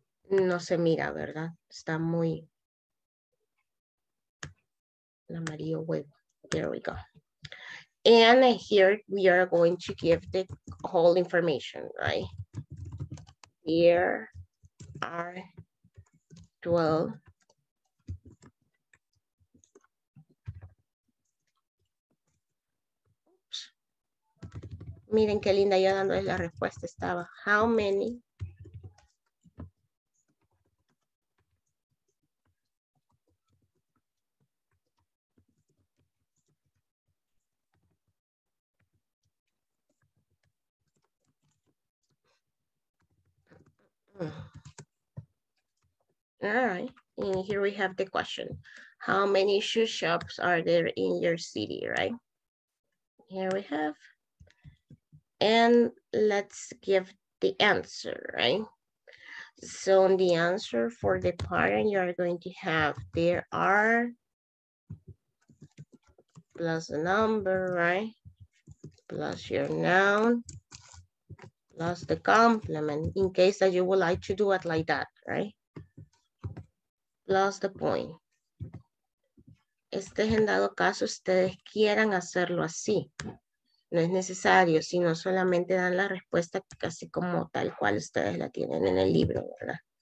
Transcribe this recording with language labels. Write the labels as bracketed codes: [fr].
[es] No se mira, ¿verdad? Está muy... [en] La María Huevo. There we go. And here we are going to give the whole information, right? Here are 12 [es] Miren qué linda yo dándoles la respuesta estaba. [en] How many All right, and here we have the question. How many shoe shops are there in your city, right? Here we have. And let's give the answer, right? So the answer for the pattern you are going to have, there are plus the number, right? Plus your noun, plus the complement, in case that you would like to do it like that, right? Plus the point. [es] Este es en dado caso ustedes quieran hacerlo así. No es necesario, sino solamente dan la respuesta casi como tal cual ustedes la tienen en el libro, ¿verdad?